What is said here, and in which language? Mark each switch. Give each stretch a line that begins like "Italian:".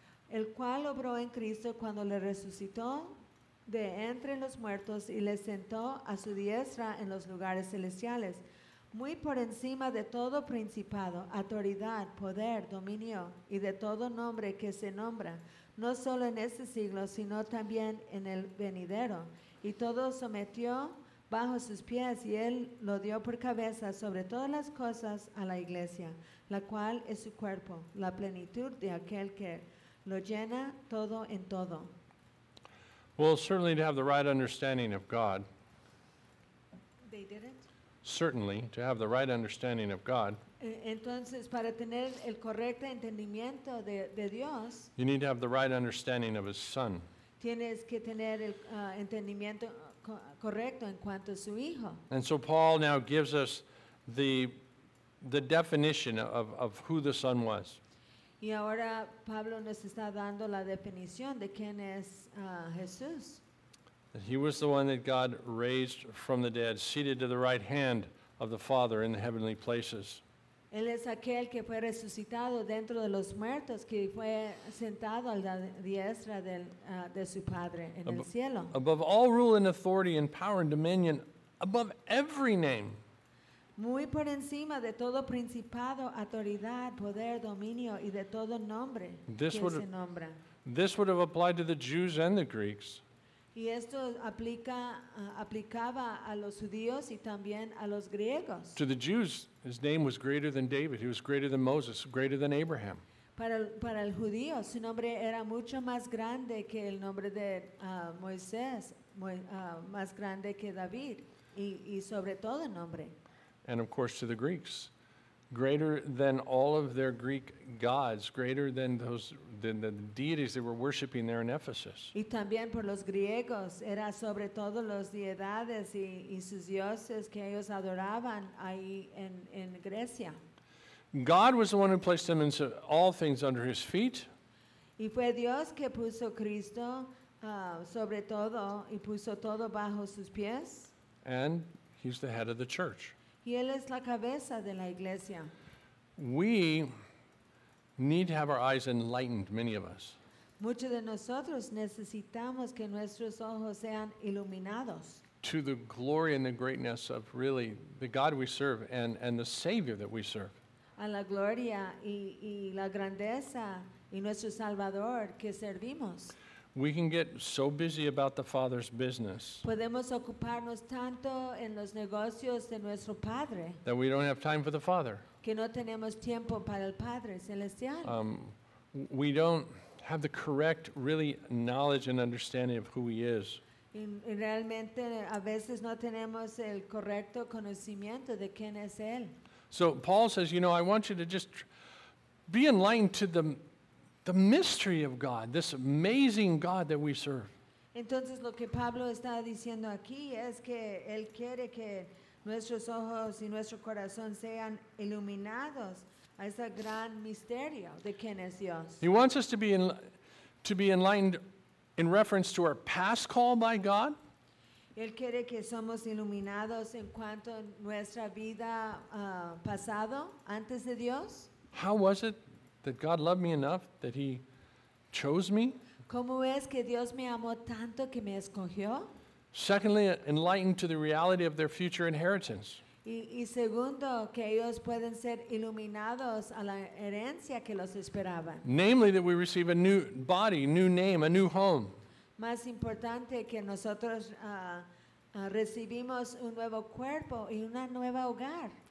Spanish: El cual obró en Cristo cuando le resucitó de entre los muertos y le sentó a su diestra en los lugares celestiales, muy por encima de todo principado, autoridad, poder, dominio y de todo nombre que se nombra, no solo en este siglo, sino también en el venidero. Y todo sometió bajo sus pies y él lo dio por cabeza sobre todas las cosas a la iglesia, la cual es su cuerpo, la plenitud de aquel que lo llena todo en todo.
English: Well, certainly to have the right understanding of God. They didn't? Certainly, to have the right understanding of God.
Spanish: Entonces, para tener el correcto entendimiento de Dios,
English: you need to have the right understanding of his son.
Spanish: Tienes que tener el entendimiento correcto en cuanto a su hijo.
English: And so Paul now gives us the definition of who the son was.
Spanish: Y ahora Pablo nos está dando la definición de quién es Jesús.
English: He was the one that God raised from the dead, seated to the right hand of the Father in the heavenly places.
Spanish: Él es aquel que fue resucitado dentro de los muertos, que fue sentado a la diestra de su Padre en el cielo.
English: Above all rule and authority and power and dominion, above every name.
Spanish: Muy por encima de todo principado, autoridad, poder, dominio y de todo nombre que se nombra.
English: This would have applied to the Jews and the Greeks.
Spanish: Y esto aplicaba a los judíos y también a los griegos.
English: To the Jews, his name was greater than David. He was greater than Moses, greater than Abraham.
Spanish: Para el judío, su nombre era mucho más grande que el nombre de Moisés, más grande que David, y sobre todo nombre.
English: And of course, to the Greeks, greater than all of their Greek gods, greater than those the deities they were worshiping there in Ephesus.
Spanish: Y también por los griegos, era sobre todo los deidades y sus dioses que ellos adoraban ahí en Grecia.
English: God was the one who placed them into all things under his feet.
Spanish: Y fue Dios que puso Cristo sobre todo y puso todo bajo sus pies.
English: And he's the head of the church.
Spanish: Y él es la cabeza de la iglesia.
English: We need to have our eyes enlightened, many of us.
Spanish: Muchos de nosotros necesitamos que nuestros ojos sean iluminados.
English: To the glory and the greatness of really the God we serve and the Savior that we serve.
Spanish: A la gloria y la grandeza y nuestro Salvador que servimos.
English: We can get so busy about the Father's business.
Spanish: Podemos ocuparnos tanto en los negocios de nuestro Padre.
English: That we don't have time for the Father.
Spanish: Que no tenemos tiempo para el Padre celestial.
English: We don't have the correct, really, knowledge and understanding of who he is.
Spanish: Y realmente a veces no tenemos el correcto conocimiento de quién es él.
English: So Paul says, you know, I want you to just be enlightened to the mystery of God, this amazing God that we serve.
Spanish: Entonces lo que Pablo está diciendo aquí es que él quiere que nuestros ojos y nuestro corazón sean iluminados a ese gran misterio de quién es Dios.
English: He wants us to be enlightened in reference to our past call by God.
Spanish: Él quiere que somos iluminados en cuanto a nuestra vida pasado antes de Dios.
English: How was it that God loved me enough that he chose me?
Spanish: ¿Cómo es que Dios me amó tanto que me escogió?
English: Secondly, enlightened to the reality of their future inheritance.
Spanish: Y segundo, que ellos pueden ser iluminados a la herencia que los esperaba.
English: Namely, that we receive a new body, new name, a new home.
Spanish: Más importante que nosotros recibimos un nuevo cuerpo y una nueva hogar.